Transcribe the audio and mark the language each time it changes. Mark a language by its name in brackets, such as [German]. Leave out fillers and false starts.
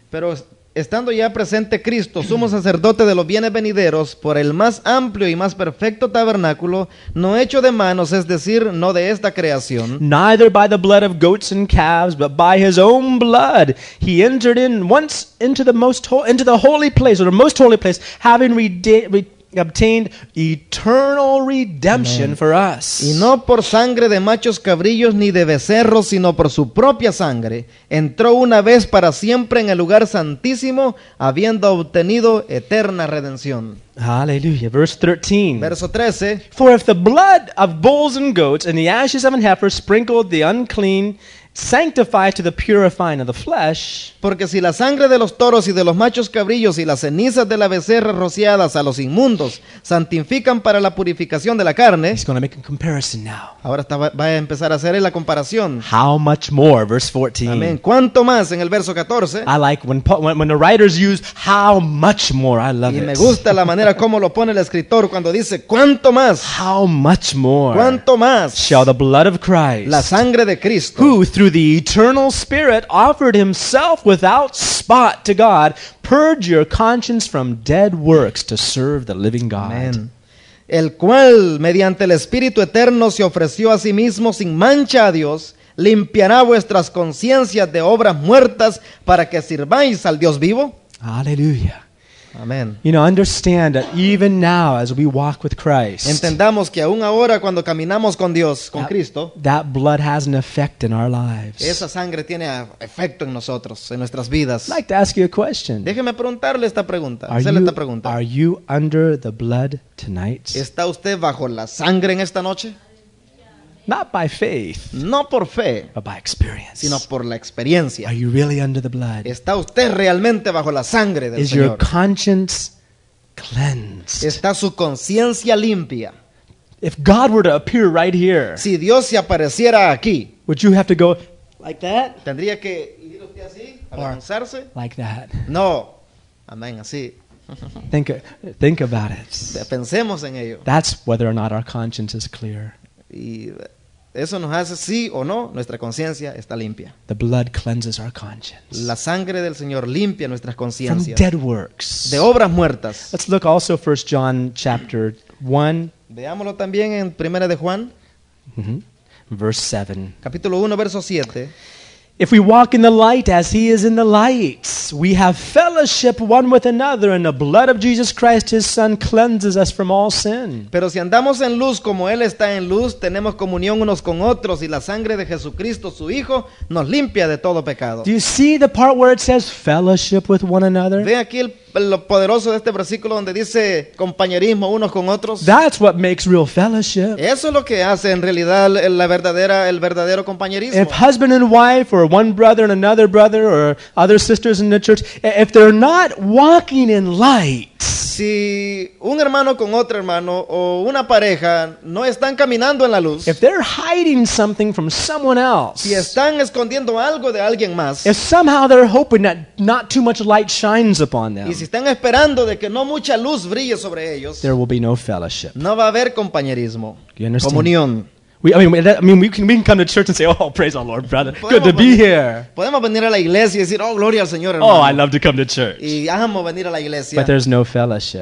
[Spanish] Pero estando ya presente Cristo, sumo sacerdote de los bienes venideros, por el más amplio y más perfecto tabernáculo, no hecho de manos, es decir, no de esta creación. [English] Neither by the blood of goats and calves, but by his own blood, he entered in once into the holy place, or the most holy place, having obtained eternal redemption. Amen. For us. [Spanish] Y no por sangre de machos cabrillos ni de becerros, sino por su propia sangre, entró una vez para siempre en el lugar santísimo, habiendo obtenido eterna redención. [English] Hallelujah. Verse 13. [Spanish] Verso 13. [English] For if the blood of bulls and goats and the ashes of an heifer sprinkled the unclean sanctify to the purifying of the flesh. [Spanish] Porque si la sangre de los toros y de los machos cabrillos y las cenizas de la becerra rociadas a los inmundos santifican para la purificación de la carne. [English] He's going to make a comparison now. [Spanish] Ahora va a empezar a hacer la comparación. [English] How much more, verse 14. [Spanish] Amén. ¿Cuánto más? En el verso 14. [English] I like when the writers use how much more. I love [Spanish] y [English] it. [Spanish] Y me gusta la manera como lo pone el escritor cuando dice ¿cuánto más? [English] How much more? [Spanish] ¿Cuánto más? [English] Shall the blood of Christ, [Spanish] la sangre de Cristo, [English] who through the eternal Spirit offered himself without spot to God, purge your conscience from dead works to serve the living God. Amen. [Spanish] El cual, mediante el Espíritu eterno, se ofreció a sí mismo sin mancha a Dios, limpiará vuestras conciencias de obras muertas para que sirváis al Dios vivo. Aleluya. [English] Amen. You know, understand that even now as we walk with Christ, [Spanish] entendamos que aún ahora cuando caminamos con Dios, con Cristo, [English] that blood has an effect in our lives. [Spanish] Esa sangre tiene efecto en nosotros, en nuestras vidas. [English] I'd like to ask you a question. [Spanish] Déjeme preguntarle esta pregunta, hacerle esta pregunta. [English] Are you under the blood tonight? [Spanish] ¿Está usted bajo la sangre en esta noche? [English] Not by faith, [Spanish] no por fe, [English] but by experience, [Spanish] sino por la experiencia. [English] Are you really under the blood? [Spanish] ¿Está usted realmente bajo la sangre del [English] Is [Spanish] Señor? [English] Your conscience cleansed? [Spanish] ¿Está su conciencia limpia? [English] If God were to appear right here, [Spanish] si Dios se apareciera aquí, [English] would you have to go like that? [Spanish] ¿Tendría que ir usted así, avergonzarse? [English] Like that? [Spanish] No, amén, así. [English] Think about it. [Spanish] Pensemos en ello. [English] That's whether or not our conscience is clear. [Spanish] Y eso nos hace sí o no, nuestra conciencia está limpia. [English] The blood cleanses our conscience. [Spanish] La sangre del Señor limpia nuestras conciencias. [English] From dead works. [Spanish] De obras muertas. [English] Let's look also 1 John chapter 1. [Spanish] Veámoslo también en Primera de Juan. [English] Verse 7. [Spanish] Capítulo 1, verso 7. [English] If we walk in the light as he is in the light, we have fellowship one with another, and the blood of Jesus Christ, his son, cleanses us from all sin. [Spanish] Pero si andamos en luz como él está en luz, tenemos comunión unos con otros, y la sangre de Jesucristo, su hijo, nos limpia de todo pecado. [English] Do you see the part where it says fellowship with one another? [Spanish] Ve aquí lo poderoso de este versículo donde dice compañerismo unos con otros. [English] That's what makes real fellowship. [Spanish] Eso es lo que hace en realidad el verdadero compañerismo. [English] If husband and wife, or one brother and another brother, or other sisters in the church, if they're not walking in light, [Spanish] si un hermano con otro hermano o una pareja no están caminando en la luz, [English] if they're hiding something from someone else, [Spanish] si están escondiendo algo de alguien más, [English] if somehow they're hoping that not too much light shines upon them, [Spanish] y si están esperando de que no mucha luz brille sobre ellos, [English] there will be no fellowship. [Spanish] No va a haber compañerismo. [English] You understand? [Spanish] Comunión. [English] We can come to church and say, "Oh, praise our Lord, brother. Good to be here." [Spanish] Podemos venir a la iglesia y decir, "Oh, gloria al Señor, [English] hermano." Oh, I love to come to church. [Spanish] Y amo venir a la iglesia. [English] But there's no fellowship.